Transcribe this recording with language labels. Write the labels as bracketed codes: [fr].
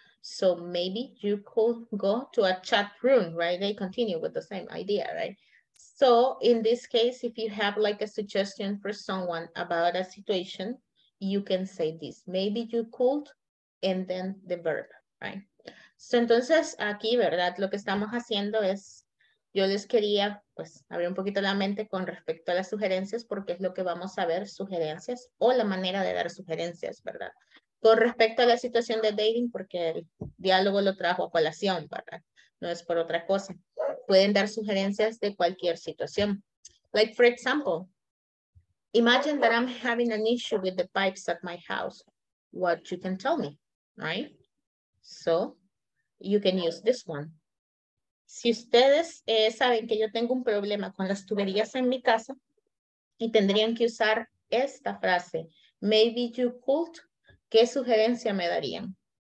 [en] So maybe you could go to a chat room, right? They continue with the same idea, right? So in this case, if you have like a suggestion for someone about a situation, you can say this, maybe you could, and then the verb, right? [es] So entonces aquí, ¿verdad? Lo que estamos haciendo es, yo les quería pues abrir un poquito la mente con respecto a las sugerencias, porque es lo que vamos a ver, sugerencias o la manera de dar sugerencias, ¿verdad? Con respecto a la situación de dating, porque el diálogo lo trajo a colación, ¿verdad? No es por otra cosa. Pueden dar sugerencias de cualquier situación. [en] Like for example, imagine that I'm having an issue with the pipes at my house. What you can tell me, right? So you can use this one. [es] Si ustedes saben que yo tengo un problema con las tuberías en mi casa y tendrían que usar esta frase, [en] maybe you could, [es] ¿qué sugerencia me darían?